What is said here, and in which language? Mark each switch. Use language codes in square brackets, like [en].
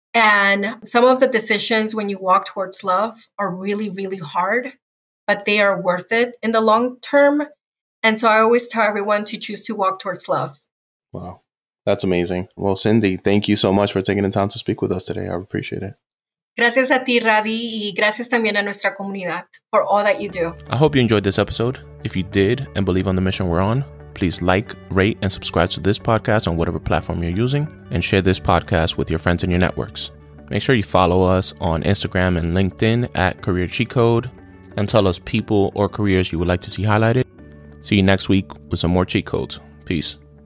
[en] And some of the decisions when you walk towards love are really, really hard, but they are worth it in the long term. And so I always tell everyone to choose to walk towards love. Wow, that's amazing. Well, Sindy, thank you so much for taking the time to speak with us today. I appreciate it. [es] Gracias a ti, Radhy, y gracias también a nuestra comunidad [en] for all that you do. I hope you enjoyed this episode. If you did and believe on the mission we're on, please like, rate, and subscribe to this podcast on whatever platform you're using, and share this podcast with your friends and your networks. Make sure you follow us on Instagram and LinkedIn at Career Cheat Code, and tell us people or careers you would like to see highlighted. See you next week with some more cheat codes. Peace.